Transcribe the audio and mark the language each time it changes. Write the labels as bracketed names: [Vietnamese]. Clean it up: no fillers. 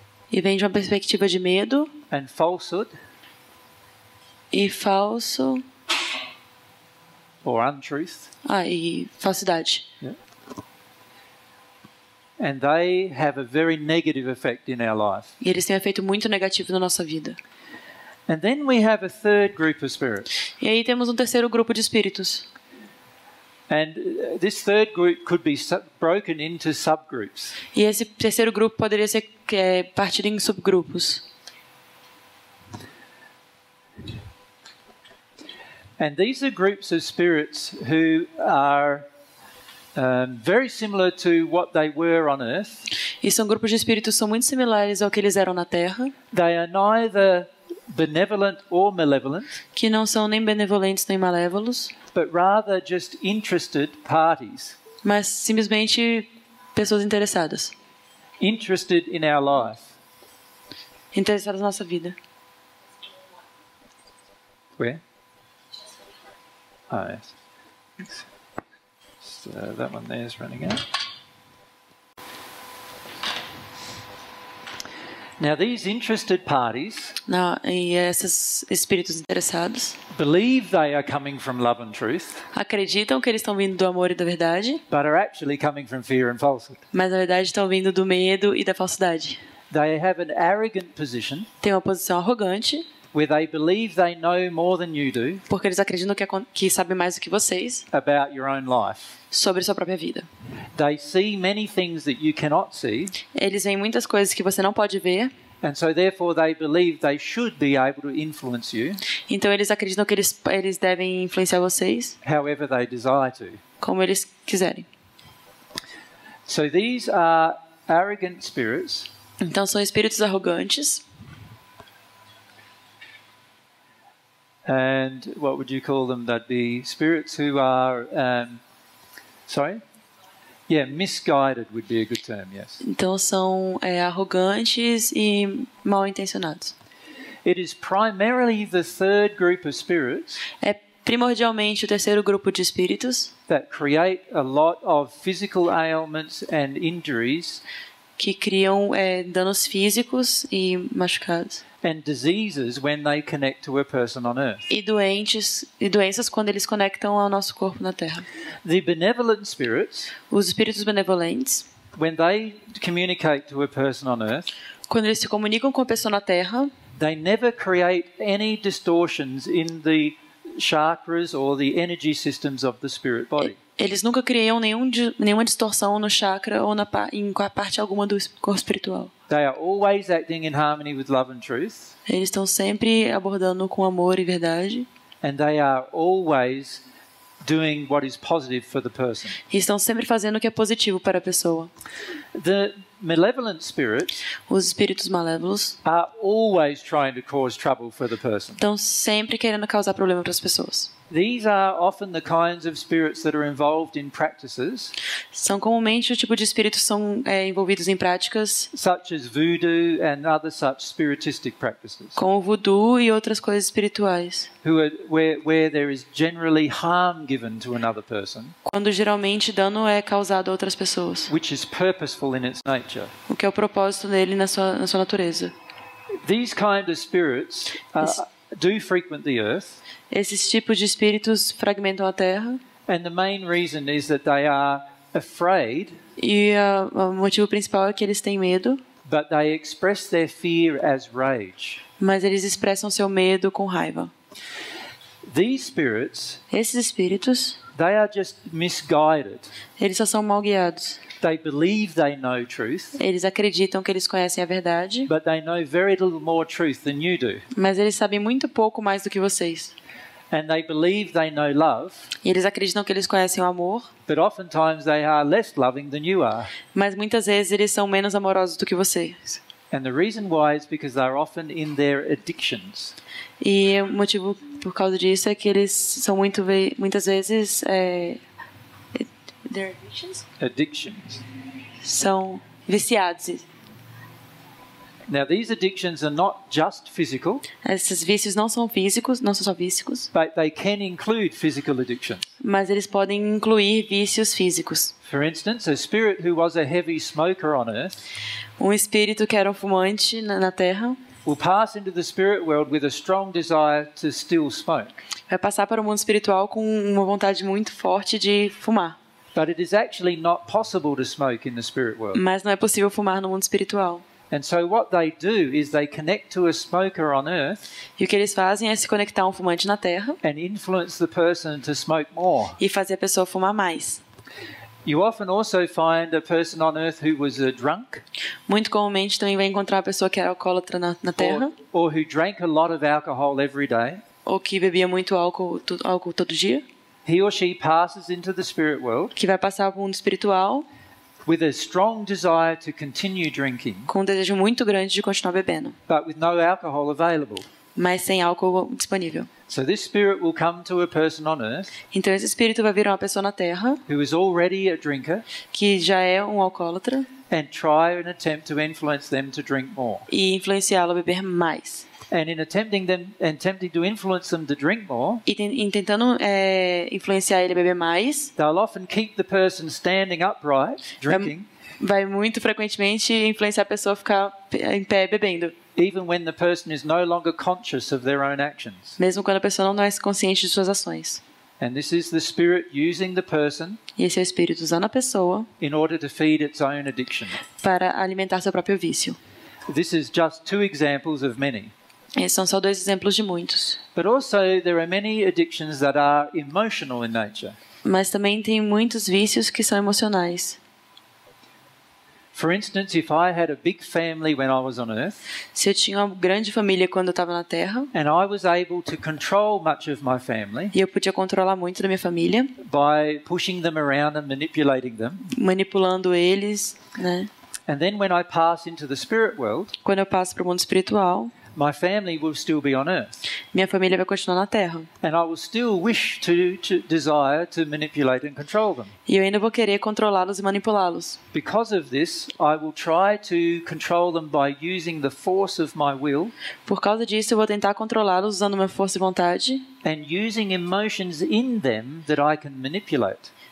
[Portuguese] E vem de uma perspectiva de medo. [English] And falsehood. [Portuguese] E falso. [English] Or untruth. [Portuguese] Ah, e falsidade. [English] Yeah. And they have a very negative effect in our life. [Portuguese] E eles têm um efeito muito negativo na nossa vida. [English] And then we have a third group of spirits. [Portuguese] E aí temos um terceiro grupo de espíritos. [English] And this third group could be broken into subgroups. [Portuguese] E esse terceiro grupo poderia ser partido em subgrupos. [English] And these are groups of spirits who are very similar to what they were on Earth. [Portuguese] E são grupos de espíritos que são muito similares ao que eles eram na Terra. [English] They are neither benevolent or malevolent. [Portuguese] Que não são nem benevolentes nem malévolos. [English] But rather just interested parties. [Portuguese] Mas simplesmente pessoas interessadas. [English] Interested in our life. [Portuguese] Interessadas na nossa vida. [English] Where? Oh, yes. So that one there is running out. Now these interested parties. [Portuguese] Now, esses espíritos interessados. [English] Believe they are coming from love and truth. [Portuguese] Acreditam que eles estão vindo do amor e da verdade. [English] But are actually coming from fear and falsehood. [Portuguese] Mas na verdade estão vindo do medo e da falsidade. [English] They have an arrogant position. [Portuguese] Têm uma posição arrogante. [English] Where they believe they know more than you do. [Portuguese] Porque eles acreditam que sabem mais do que vocês. [English] About your own life. [Portuguese] Sobre sua própria vida. [English] They see many things that you cannot see. [Portuguese] Eles veem muitas coisas que você não pode ver. [English] And so therefore they believe they should be able to influence you. [Portuguese] Então eles acreditam que eles devem influenciar vocês. [English] However they desire to. [Portuguese] Como eles quiserem. [English] So these are arrogant spirits. [Portuguese] Então são espíritos arrogantes. [English] And what would you call them? That'd be spirits who are, sorry, Yeah, misguided would be a good term, yes. [Portuguese] Então são arrogantes e mal intencionados. [English] It is primarily the third group of spirits. [Portuguese] É primordialmente o terceiro grupo de espíritos. [English] That create a lot of physical ailments and injuries. [Portuguese] Que criam danos físicos e machucados. [English] And diseases when they connect to a person on earth. [Portuguese] E doenças quando eles conectam ao nosso corpo na Terra. [English] The benevolent spirits. [Portuguese] Os espíritos benevolentes. [English] When they communicate to a person on earth. [Portuguese] Quando eles se comunicam com a pessoa na Terra. [English] They never create any distortions in the chakras or the energy systems of the spirit body. [Portuguese] Eles nunca criam nenhuma distorção no chakra ou em parte alguma do corpo espiritual. [English] They are always acting in harmony with love and truth. [Portuguese] Eles estão sempre abordando com amor e verdade. [English] And they are always doing what is positive for the person. [Portuguese] E estão sempre fazendo o que é positivo para a pessoa. [English] The malevolent spirits. [Portuguese] Os espíritos malévolos. [English] Are always trying to cause trouble for the person. [Portuguese] Estão sempre querendo causar problema para as pessoas. [English] These are often the kinds of spirits that are involved in practices. [Portuguese] São comumente o tipo de espíritos que são envolvidos em práticas. [English] Such as voodoo and other such spiritistic practices. [Portuguese] Como voodoo e outras coisas espirituais. [English] Where there is generally harm given to another person. [Portuguese] Quando geralmente dano é causado a outras pessoas. [English] Which is purposeful in its nature. [Portuguese] O que é o propósito dele na sua natureza. [English] These kind of spirits do frequent the earth. [Portuguese] Esses tipos de espíritos fragmentam a Terra. [English] And the main reason is that they are afraid. [Portuguese] E o motivo principal é que eles têm medo. [English] But they express their fear as rage. [Portuguese] Mas eles expressam seu medo com raiva. [English] These spirits, [Portuguese] esses espíritos, [English] they are just misguided. [Portuguese] Eles só são mal guiados. [English] They believe they know truth. [Portuguese] Eles acreditam que eles conhecem a verdade. [English] But they know very little more truth than you do. [Portuguese] Mas eles sabem muito pouco mais do que vocês. [English] And they believe they know love. [Portuguese] E eles acreditam que eles conhecem o amor. [English] But oftentimes they are less loving than you are. [Portuguese] Mas muitas vezes eles são menos amorosos do que vocês. [English] And the reason why is because they're often in their addictions. [Portuguese] E o motivo por causa disso é que eles são muitas vezes [English] their addictions? Addictions. [Portuguese] São viciados. [English] Now these addictions are not just physical. [Portuguese] Esses vícios não são físicos, não são só físicos. [English] But they can include physical addictions. [Portuguese] Mas eles podem incluir vícios físicos. [English] For instance, a spirit who was a heavy smoker on earth. [Portuguese] Um espírito que era um fumante na Terra. [English] Will pass into the spirit world with a strong desire to still smoke. [Portuguese] Vai passar para o mundo espiritual com uma vontade muito forte de fumar. [English] But it is actually not possible to smoke in the spirit world. [Portuguese] Mas não é possível fumar no mundo espiritual. [English] And so what they do is they connect to a smoker on earth. [Portuguese] E o que eles fazem é se conectar a um fumante na Terra. [English] And influence the person to smoke more. [Portuguese] E fazer a pessoa fumar mais. [English] You often also find a person on earth who was a drunk. [Portuguese] Muito comumente também vai encontrar a pessoa que era alcoólatra na Terra. [English] Or who drank a lot of alcohol every day. [Portuguese] Ou que bebia muito álcool todo dia. [English] He or she passes into the spirit world. [Portuguese] Que vai passar para o mundo espiritual. [English] With a strong desire to continue drinking. [Portuguese] Com um desejo muito grande de continuar bebendo. [English] But with no alcohol available. [Portuguese] Mas sem álcool disponível. [English] So this spirit will come to a person on earth. [Portuguese] Então esse espírito vai vir a uma pessoa na Terra. [English] Who is already a drinker. [Portuguese] Que já é um alcoólatra. [English] And try and attempt to influence them to drink more. [Portuguese] E influenciá-lo a beber mais. [English] And in attempting to influence them to drink more. [Portuguese] E tentando influenciar ele a beber mais. [English] They'll often keep the person standing upright, drinking. [Portuguese] Vai muito frequentemente influenciar a pessoa a ficar em pé bebendo. [English] Even when the person is no longer conscious of their own actions. [Portuguese] Mesmo quando a pessoa não é consciente de suas ações. [English] And this is the spirit using the person. [Portuguese] E esse é o espírito usando a pessoa. [English] In order to feed its own addiction. [Portuguese] Para alimentar seu próprio vício. [English] This is just two examples of many. [Portuguese] Esses são só dois exemplos de muitos. [English] But also there are many addictions that are emotional in nature. [Portuguese] Mas também tem muitos vícios que são emocionais. [English] For instance, if I had a big family when I was on earth. [Portuguese] Se eu tinha uma grande família quando eu estava na Terra. [English] And I was able to control much of my family. [Portuguese] E eu podia controlar muito da minha família. [English] By pushing them around and manipulating them. [Portuguese] Manipulando eles, né? [English] And then when I pass into the spirit world. [Portuguese] Quando eu passo para o mundo espiritual. [English] my family will still be on earth. [Portuguese] Minha família vai continuar na Terra. [English] And I will still wish to desire to manipulate and control them. [Portuguese] E eu ainda vou querer controlá-los e manipulá-los. [English] Because of this, I will try to control them by using the force of my will. [Portuguese] Por causa disso, eu vou tentar controlá-los usando minha força e vontade. [English] And using emotions in them that I can manipulate.